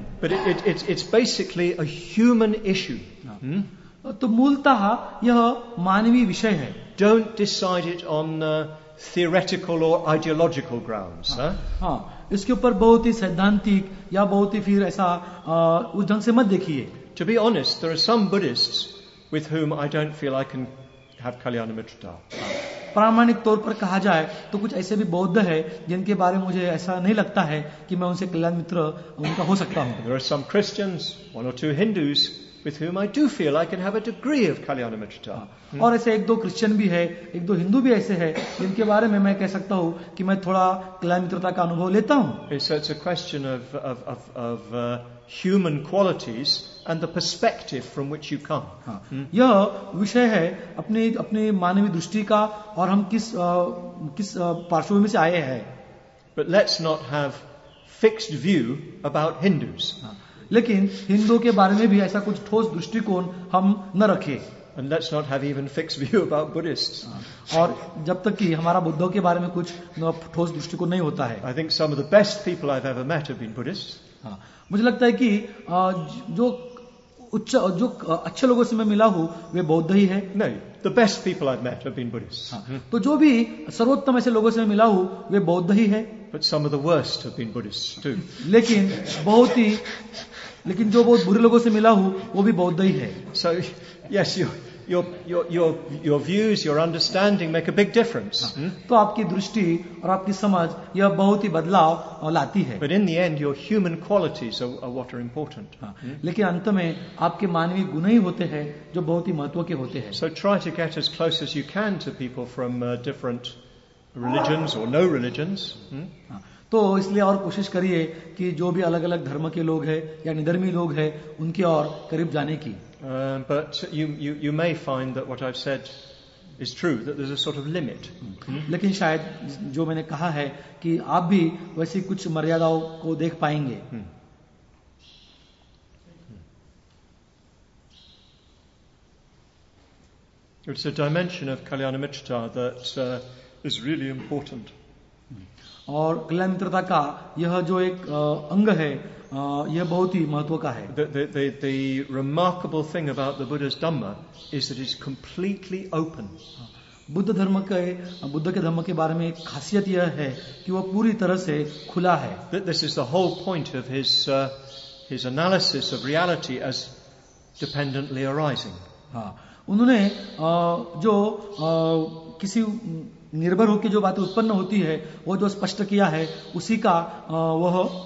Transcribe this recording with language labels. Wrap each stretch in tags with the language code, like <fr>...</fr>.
<en>But it's basically a human issue.</en> <hi>तो मूलतः यह मानवीय विषय है.</hi> <en>Don't decide it on theoretical or ideological grounds.</en> <hi>इसके ऊपर बहुत ही सैद्धांतिक या बहुत ही फिर ऐसा उस ढंग से मत देखिए.</hi> <en>To be honest, there are some Buddhists with whom I don't feel I can have Kalyanamitta.</en> <hi>प्रामाणिक तौर पर कहा जाए तो कुछ ऐसे भी बौद्ध हैं जिनके बारे में मुझे ऐसा नहीं लगता है कि मैं उनसे कल्याण मित्र उनका हो सकता हूँ.</hi> <en>There are some Christians, one or two Hindus, with whom I do feel I can have a degree of Kalyanamitta.</en> <hi>और ऐसे एक दो क्रिश्चियन भी है, एक दो हिंदू भी ऐसे हैं, जिनके बारे में मैं कह सकता हूँ कि मैं थोड़ा कल्याणमित्रता का अनुभव लेता हूँ.</hi> <en>It's a question of human qualities and the perspective from which you come.</en> <hi>यह विषय है अपनी अपनी मानवीय दृष्टि का और हम किस किस पार्श्व में से आए हैं.</hi> <en>But let's not have fixed view about Hindus.</en> <hi>लेकिन हिंदुओं के बारे में भी ऐसा कुछ ठोस दृष्टिकोण हम न रखें.</hi> <en>And let's not have even fixed view about Buddhists.</en> <hi>और जब तक कि हमारा बुद्धों के बारे में कुछ ठोस दृष्टिकोण नहीं होता है.</hi> <en>I think some of the best people I've ever met have been Buddhists.</en> <hi>मुझे लगता है कि जो उच्च जो अच्छे लोगों से मैं मिला हूँ वे बौद्ध ही है.</hi> <en>नहीं, the best people I've met have been Buddhists.</en> <hi>तो जो भी सर्वोत्तम ऐसे लोगों से मैं मिला हूँ वे बौद्ध ही है.</hi> <en>But some of the worst have been Buddhists too.</en> <hi>लेकिन बहुत ही लेकिन जो बहुत बुरे लोगों से मिला हूँ वो भी बौद्ध ही है.</hi> <en>So yes, your views, your understanding make a big difference.</en> <hi>तो आपकी दृष्टि और आपकी समझ यह बहुत ही बदलाव लाती है.</hi> <en>But in the end, your human qualities are what are important.</en> <hi>लेकिन अंत में आपके मानवीय गुण ही होते हैं जो बहुत ही महत्व के होते हैं.</hi> <en>So try to get as close as you can to people from different religions or no religions.</en> <hi>तो इसलिए और कोशिश करिए कि जो भी अलग अलग धर्म के लोग हैं या निधर्मी लोग हैं उनके और करीब जाने की.</hi> <en>But you may find that what I've said is true, that there's a sort of limit.</en> <hi>लेकिन शायद जो मैंने कहा है कि आप भी वैसी कुछ मर्यादाओं को देख पाएंगे.</hi> <en>It's a dimension of Kalyanamitta that is really important.</en> <hi>और कल्याण मित्रता का यह जो एक अंग है यह बहुत ही महत्व का है.</hi> <en>The remarkable thing about the Buddha's Dhamma is that it's completely open.</en> <hi>Buddha के धर्म के बारे में एक खासियत यह है कि वह पूरी तरह से खुला है.</hi> <en>This is the whole point of his analysis of reality as dependently arising.</en> <hi>उन्होंने जो किसी निर्भर होकर जो बातें उत्पन्न होती है वो जो स्पष्ट किया है उसी का वह</hi>